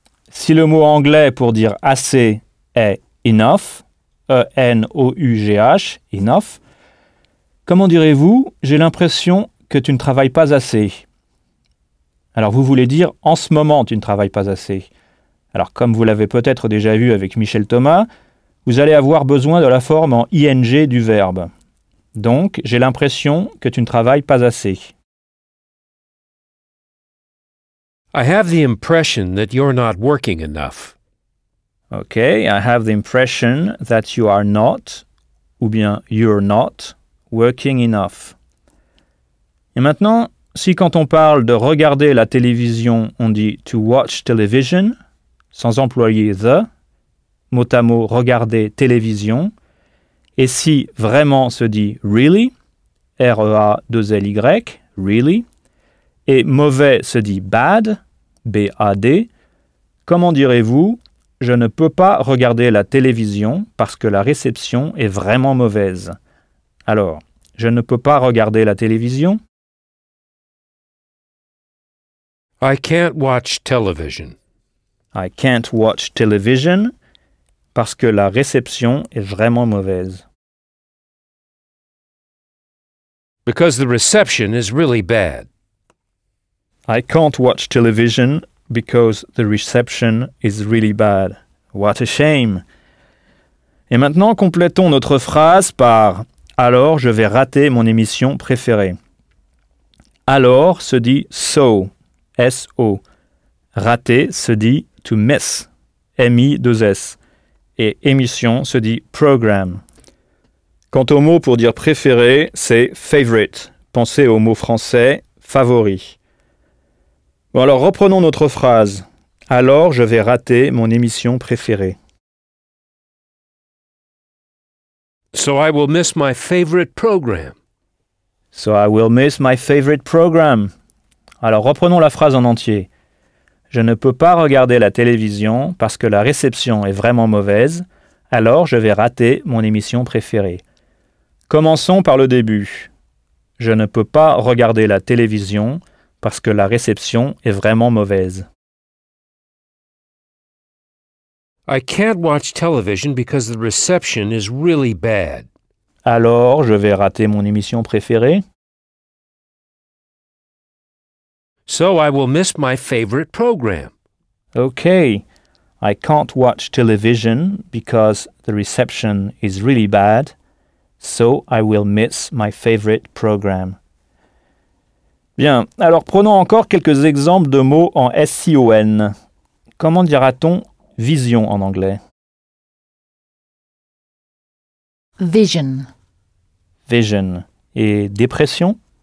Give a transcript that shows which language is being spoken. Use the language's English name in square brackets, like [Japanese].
[French] Si le mot anglais pour dire assez est enough, E-N-O-U-G-H, enough, comment direz-vous « j'ai l'impression que tu ne travailles pas assez » Alors, vous voulez dire « en ce moment, tu ne travailles pas assez ». Alors, comme vous l'avez peut-être déjà vu avec Michel Thomas, vous allez avoir besoin de la forme en « ing » du verbe. Donc, « j'ai l'impression que tu ne travailles pas assez ». [English] I have the impression that you're not working enough. OK, I have the impression that you are not, [French] ou bien [English] you're not, working enough. [French] Et maintenant, si quand on parle de regarder la télévision, on dit [English] to watch television, [French] sans employer the, mot à mot regarder télévision, et si vraiment se dit really, R-E-A-2-L-Y, really, et mauvais se dit bad, B-A-D, comment direz-vous « je ne peux pas regarder la télévision parce que la réception est vraiment mauvaise » Alors, « je ne peux pas regarder la télévision » [English] I can't watch television. [French] I can't watch television parce que la réception est vraiment mauvaise. [English] Because the reception is really bad. I can't watch television because the reception is really bad. What a shame. [French] Et maintenant, complétons notre phrase par « alors je vais rater mon émission préférée ». Alors se dit « so », S-O. Rater se dit « to miss », M-I-2-S. Et émission se dit « program ». Quant au mot pour dire « préféré », c'est « favorite ». Pensez au mot français « favori ». Bon, alors reprenons notre phrase. Alors, je vais rater mon émission préférée. [English] So I will miss my favorite program. So I will miss my favorite program. [French] Alors, reprenons la phrase en entier. Je ne peux pas regarder la télévision parce que la réception est vraiment mauvaise. Alors, je vais rater mon émission préférée. Commençons par le début. Je ne peux pas regarder la télévision parce que la réception est vraiment mauvaise. [English] I can't watch television because the reception is really bad. [French] Alors, je vais rater mon émission préférée. [English] So I will miss my favorite program. Okay. I can't watch television because the reception is really bad. So I will miss my favorite program. [French] Bien, alors prenons encore quelques exemples de mots en S-I-O-N. Comment dira-t-on vision en anglais? [English] Vision. [French] Vision. Et dépression?